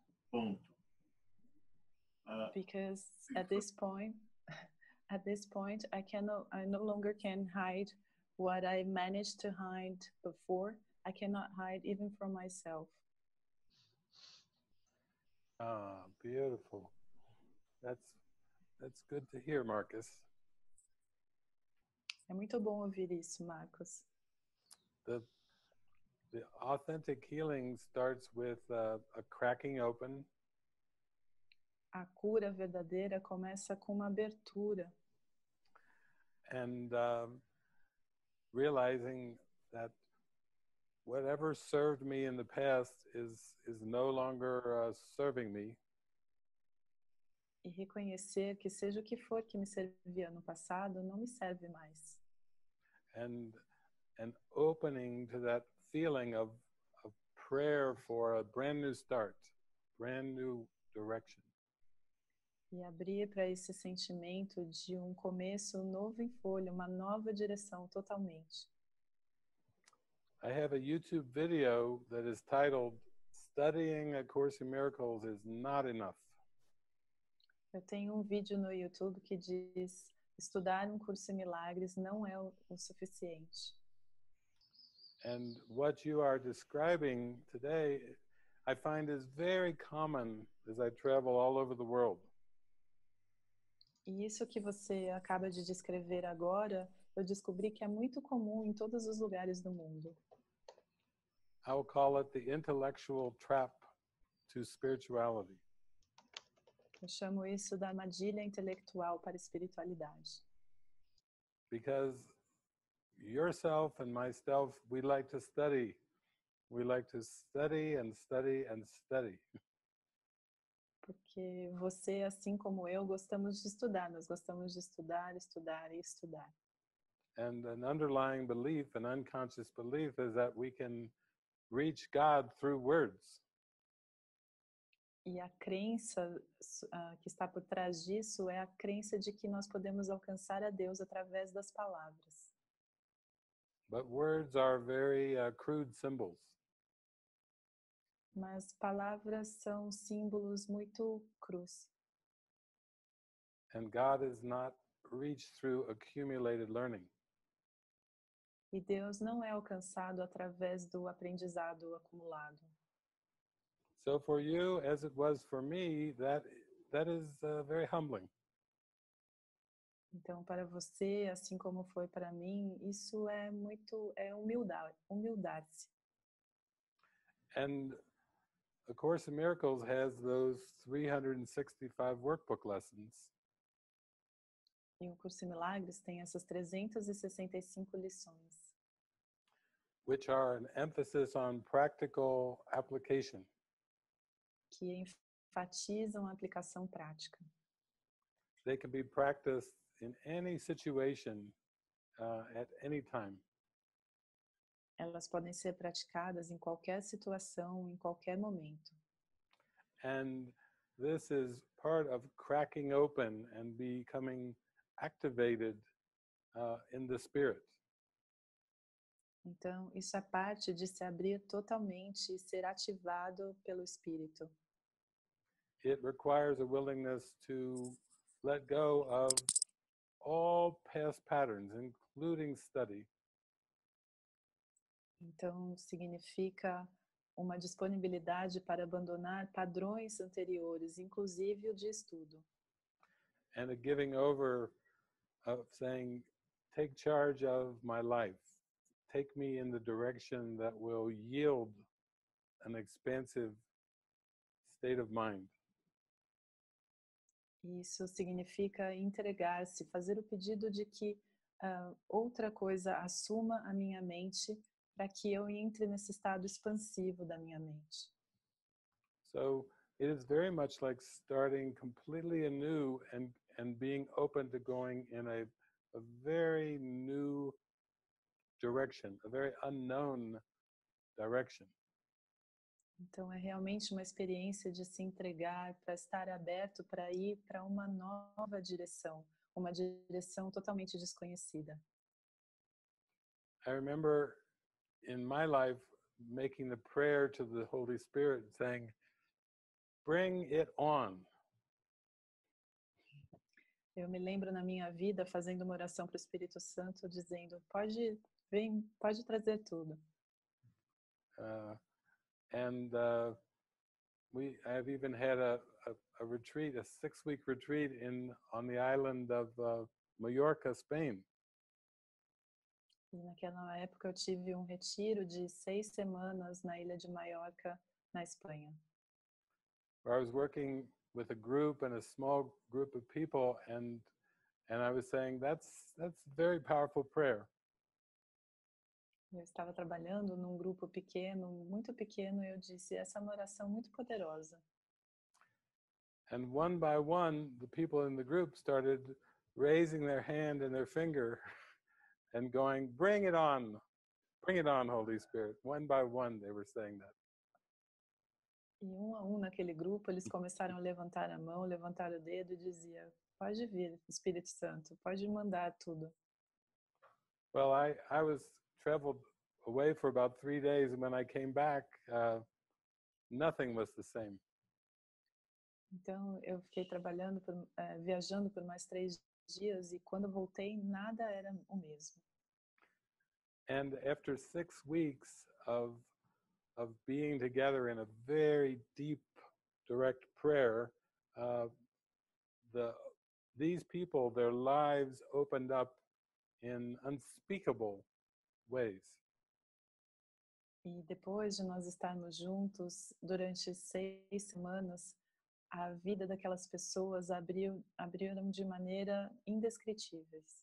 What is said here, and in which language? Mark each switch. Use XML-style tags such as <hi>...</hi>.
<pt>Ponto.</pt> <en>Because at this point, I no longer can hide what I managed to hide before. I cannot hide even from myself. Ah, beautiful. That's good to hear, Marcus.</en> <pt>É muito bom ouvir isso, Marcos.</pt> <en>The authentic healing starts with a cracking open.</en> <pt>A cura verdadeira começa com uma abertura.</pt> <en>And realizing that whatever served me in the past is no longer serving me.</en> <pt>E reconhecer que seja o que for que me servia no passado, não me serve mais.</pt> <en>And opening to that feeling of prayer for a brand new start, brand new direction.</en> <pt>E abrir para esse sentimento de um começo novo em folha, uma nova direção totalmente.</pt> <en>I have a YouTube video that is titled Studying a Course in Miracles is Not Enough.</en> <pt>Eu tenho um vídeo no YouTube que diz estudar um curso em milagres não é o suficiente.</pt> <en>And what you are describing today, I find is very common as I travel all over the world.</en> <pt>E isso que você acaba de descrever agora, eu descobri que é muito comum em todos os lugares do mundo.</pt> <en>I'll call it the intellectual trap to spirituality.</en> <pt>Eu chamo isso da armadilha intelectual para a espiritualidade.</pt> <en>Because yourself and myself, we like to study. We like to study and study and study.</en> <pt>Porque você, assim como eu, gostamos de estudar. Nós gostamos de estudar, estudar e estudar.</pt> <en>And an underlying belief, an unconscious belief, is that we can reach God through words.</en> <pt>E a crença que está por trás disso é a crença de que nós podemos alcançar a Deus através das palavras.</pt> <en>But words are very crude symbols.</en> <pt>Mas palavras são símbolos muito crus.</pt> <en>And God is not reached through accumulated learning.</en> <pt>E Deus não é alcançado através do aprendizado acumulado.</pt> <en>So for you, as it was for me, that is very humbling.</en> <pt>Então para você, assim como foi para mim, isso é muito humildade.</pt> <en>And A Course in Miracles has those 365 workbook lessons.</en> <pt>E o Curso em Milagres tem essas 365 lições.</pt> <en>Which are an emphasis on practical application.</en> <pt>Que enfatizam a aplicação prática.</pt> <en>They can be practiced in any situation, at any time.</en> <pt>Elas podem ser praticadas em qualquer situação, em qualquer momento.</pt> <en>And this is part of cracking open and becoming activated in the spirit.</en> <pt>Então, isso é parte de se abrir totalmente e ser ativado pelo espírito.</pt> <en>It requires a willingness to let go of all past patterns, including study.</en> <pt>Então, significa uma disponibilidade para abandonar padrões anteriores, inclusive o de estudo.</pt> <en>And a giving over of saying, take charge of my life. Take me in the direction that will yield an expansive state of mind.</en> <pt>Isso significa entregar-se, fazer o pedido de que outra coisa assuma a minha mente para que eu entre nesse estado expansivo da minha mente.</pt> <en>So, it is very much like starting completely anew and being open to going in a very new direction, a very unknown direction.</en> <pt>Então, é realmente uma experiência de se entregar, para estar aberto, para ir para uma nova direção, uma direção totalmente desconhecida.</pt> <en>I remember in my life, making the prayer to the Holy Spirit, saying, bring it on.</en> <pt>Eu me lembro na minha vida, fazendo uma oração para o Espírito Santo, dizendo, pode trazer tudo.</pt> <en>I have even had a retreat, a six-week retreat on the island of Mallorca, Spain.</en> <pt>Naquela época eu tive um retiro de 6 semanas na ilha de Maiorca, na Espanha.</pt> <en>I was working with a group and a small group of people and I was saying that's a very powerful prayer.</en> <pt>Eu estava trabalhando num grupo pequeno, muito pequeno, e eu disse, essa é uma oração muito poderosa.</pt> <en>And one by one, the people in the group started raising their hand and their finger. And going, bring it on, Holy Spirit. One by one, they were saying that.</en> <pt>E a um naquele grupo, eles começaram a levantar a mão, levantar o dedo e dizia, pode vir, Espírito Santo, pode mandar tudo.</pt> <en>Well, I was traveled away for about 3 days, and when I came back, nothing was the same.</en> <pt>Então, eu fiquei viajando por mais 3 dias, e quando voltei, nada era o mesmo.</pt> <en>And after 6 weeks of being together in a very deep, direct prayer, these people, their lives opened up in unspeakable ways.</en> <pt>E depois de nós estarmos juntos durante 6 semanas, a vida daquelas pessoas abriram de maneira indescritível.</pt>